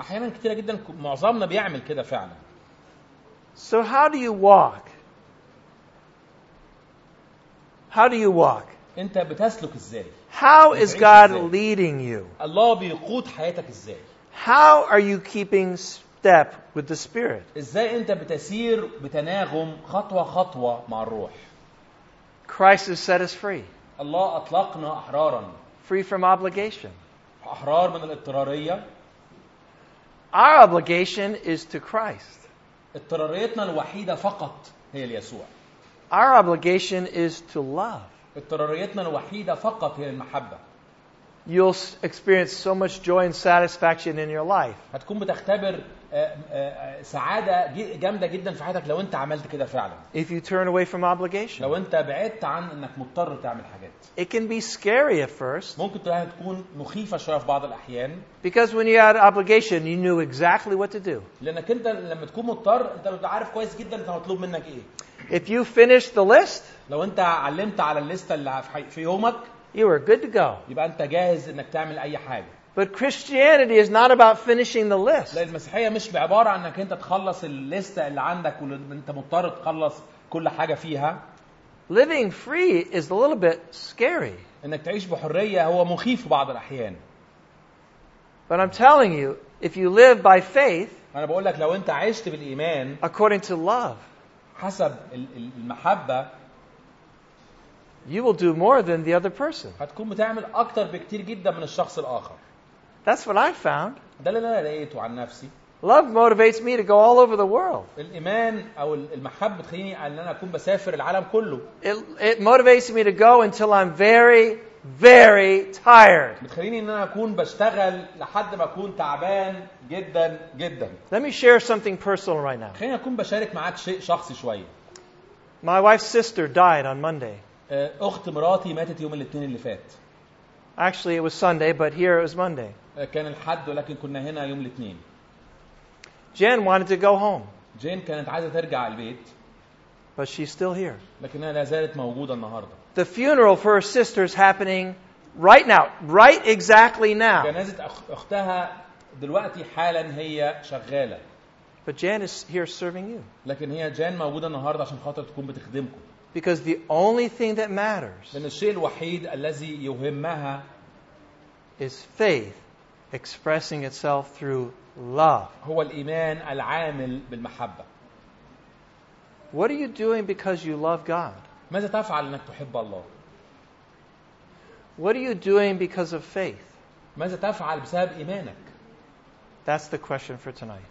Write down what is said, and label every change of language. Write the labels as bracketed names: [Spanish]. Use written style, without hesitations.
[Arabic] أحيانا كتير جدا معظمنا بيعمل كده فعلا. [English] So how do you walk? How do you walk? [Arabic] أنت بتسلك إزاي؟ [English] How is God leading you? [Arabic] الله بيقود حياتك إزاي؟ [English] How are you keeping step with the Spirit? [Arabic] إزاي أنت بتسير بتناغم خطوة خطوة مع الروح؟ [English] Christ has set us free. [Arabic] الله أطلقنا أحرارا. [English] Free from obligation. [Arabic] أحرار من الاضطرارية. [English] Our obligation is to Christ. [Arabic] اضطراريتنا الوحيدة فقط هي ليسوع. [English] Our obligation is to love. [Arabic] اضطراريتنا الوحيدة فقط هي المحبة. [English] You'll experience so much joy and satisfaction in your life. [Arabic] هتكون بتختبر سعادة جامدة جدا في حياتك لو أنت عملت كده فعلا. [English] If you turn away from obligation. [Arabic] لو أنت بعدت عن أنك مضطر تعمل حاجات. [English] It can be scary at first. [Arabic] ممكن تكون مخيفة شوية في بعض الأحيان. [English] Because when you had obligation, you knew exactly what to do. [Arabic] لأنك أنت لما تكون مضطر أنت عارف كويس جدا أنت مطلوب منك إيه. [English] If you finish the list. [Arabic] لو أنت علمت على الليستة اللي في يومك. [English] You are good to go. [Arabic] يبقى أنت جاهز إنك تعمل أي حاجة. [English] But Christianity is not about finishing the list. [Arabic] لأن المسيحية مش بعبارة عن إنك أنت تخلص الليستة اللي عندك وأنت مضطر تخلص كل حاجة فيها. [English] Living free is a little bit scary. [Arabic] إنك تعيش بحرية هو مخيف بعض الأحيان. [English] But I'm telling you, if you live by faith. [Arabic] أنا بقول لك لو أنت عشت بالإيمان. [English] According to love. [Arabic] حسب المحبة. [English] You will do more than the other person. [Arabic] هتكون بتعمل أكتر بكتير جدا من الشخص الآخر. [English] That's what I found. [Arabic] ده اللي أنا لقيته عن نفسي. [English] Love motivates me to go all over the world. [Arabic] الإيمان أو المحبة بتخليني أن أنا أكون بسافر العالم كله. [English] It motivates me to go until I'm very, very tired. [Arabic] بتخليني أن أنا أكون بشتغل لحد ما أكون تعبان جدا جدا. [English] Let me share something personal right now. [Arabic] خليني أكون بشارك معك شيء شخصي شوية. [English] My wife's sister died on Monday. [Arabic] أخت مراتي ماتت يوم الاثنين اللي فات. [English] Actually, it was Sunday, but here it was Monday. [Arabic] كان الحد ولكن كنا هنا يوم الاثنين. [English] Jen wanted to go home. [Arabic] جين كانت عايزة ترجع البيت. [English] But she's still here. [Arabic] لكنها لا زالت موجودة النهاردة. [English] The funeral for her sister is happening right now, right exactly now. [Arabic] جنازة أختها دلوقتي حالا هي شغالة. [English] But Jen is here serving you. [Arabic] لكن هي جين موجودة النهاردة عشان خاطر تكون بتخدمكم. [English] Because the only thing that matters [Arabic] لأن الشيء الوحيد الذي يهمها [English] is faith expressing itself through love. [Arabic] هو الإيمان العامل بالمحبة. [English] What are you doing because you love God? [Arabic] ماذا تفعل أنك تحب الله? [English] What are you doing because of faith? [Arabic] ماذا تفعل بسبب إيمانك? [English] That's the question for tonight.